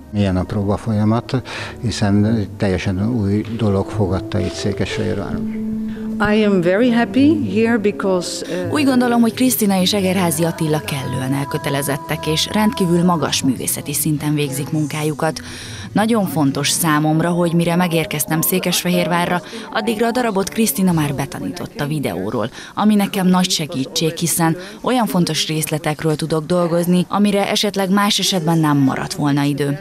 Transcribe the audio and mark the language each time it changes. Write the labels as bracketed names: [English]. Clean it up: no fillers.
[Hungarian] Milyen a próba folyamat, hiszen teljesen új dolog fogadta itt Székesfehérváron. [English] I am very happy here because [Hungarian] úgy gondolom, hogy Krisztina és Egerházi Attila kellően elkötelezettek, és rendkívül magas művészeti szinten végzik munkájukat. Nagyon fontos számomra, hogy mire megérkeztem Székesfehérvárra, addigra a darabot Krisztina már betanította videóról, ami nekem nagy segítség, hiszen olyan fontos részletekről tudok dolgozni, amire esetleg más esetben nem maradt volna idő.